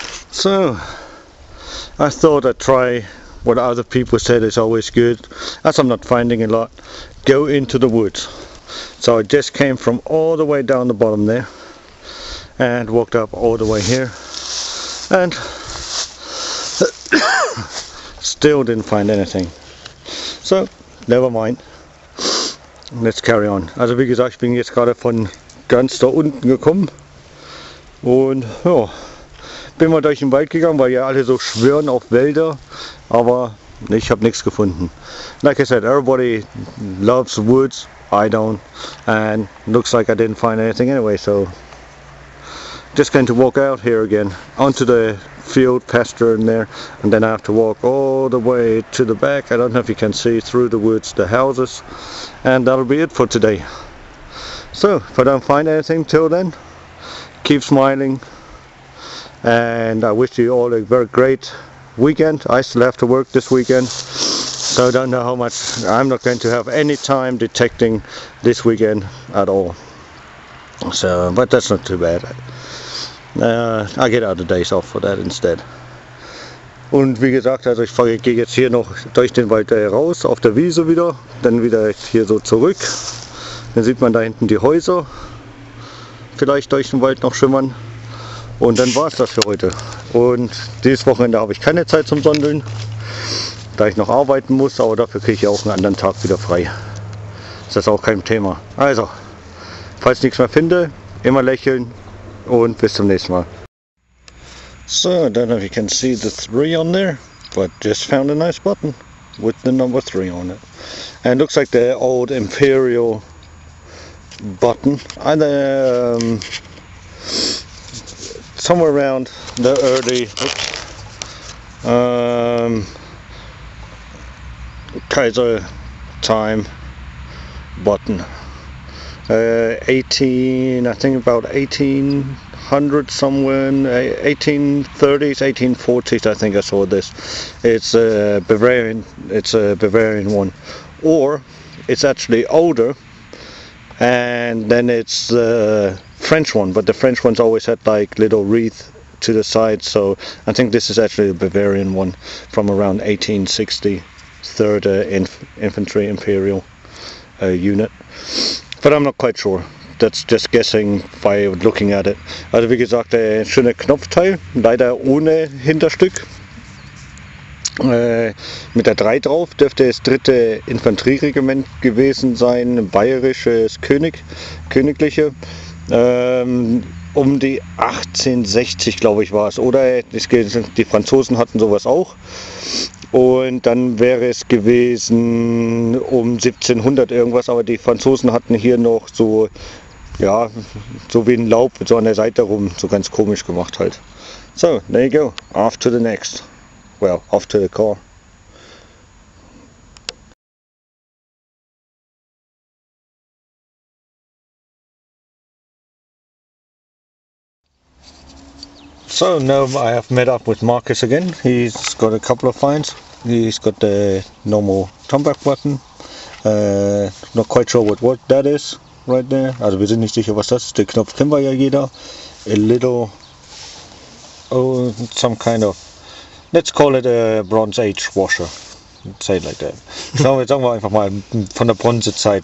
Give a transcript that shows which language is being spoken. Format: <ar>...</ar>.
<en>So, I thought I'd try what other people said is always good, as I'm not finding a lot, go into the woods. So I just came from all the way down the bottom there, and walked up all the way here, and still didn't find anything. So, never mind. Let's carry on.</en> <de>Also wie gesagt, ich bin jetzt gerade von ganz da unten gekommen, und ja. Bin mal durch den Wald gegangen, weil ja alle so schwören auf Wälder, aber ich habe nichts gefunden.</de> <en>Like I said, everybody loves woods, I don't, and looks like I didn't find anything anyway, so just going to walk out here again onto the field pasture in there, and then I have to walk all the way to the back. I don't know if you can see through the woods the houses, and that'll be it for today. So if I don't find anything till then, keep smiling. And I wish you all a very great weekend. I still have to work this weekend, so I don't know how much I'm not going to have any time detecting this weekend at all. So, but that's not too bad. I get other days off for that instead.</en> <de>Und wie gesagt, also ich gehe jetzt hier noch durch den Wald raus auf der Wiese wieder, dann wieder hier so zurück. Dann sieht man da hinten die Häuser, vielleicht durch den Wald noch schimmern. Und dann war es das für heute. Und dieses Wochenende habe ich keine Zeit zum Sondeln, da ich noch arbeiten muss, aber dafür kriege ich auch einen anderen Tag wieder frei. Das ist auch kein Thema. Also, falls ich nichts mehr finde, immer lächeln und bis zum nächsten Mal.</de> <en>So, I don't know if you can see the 3 on there, but just found a nice button with the number 3 on it. And looks like the old Imperial button. And the, somewhere around the early Kaiser time button, 1800 somewhere, 1830s, 1840s, I think I saw this. It's a Bavarian one, or it's actually older. And then it's the French one, but the French ones always had like little wreath to the side. So I think this is actually a Bavarian one from around 1860, 3rd Infantry Imperial unit. But I'm not quite sure. That's just guessing by looking at it.</en> <de>Also wie gesagt, ein schöner Knopfteil, leider ohne Hinterstück. Mit der 3 drauf dürfte es 3. Infanterieregiment gewesen sein, bayerisches Königliche. Um die 1860, glaube ich, war es. Oder die Franzosen hatten sowas auch. Und dann wäre es gewesen um 1700 irgendwas. Aber die Franzosen hatten hier noch so, ja, so wie ein Laub so an der Seite rum, so ganz komisch gemacht halt.</de> <en>So, there you go. Off to the next. Well, off to the car. So now I have met up with Markus again. He's got a couple of finds. He's got the normal tombak button. Not quite sure what that is right there.</en> <de>Also wir sind nicht sicher, was das ist. Den Knopf kennen wir ja jeder.</de> <en>A little, oh, some kind of, let's call it a Bronze Age washer. Let's say it like that.</en> <de>So, jetzt sagen wir einfach mal von der Bronzezeit.</de>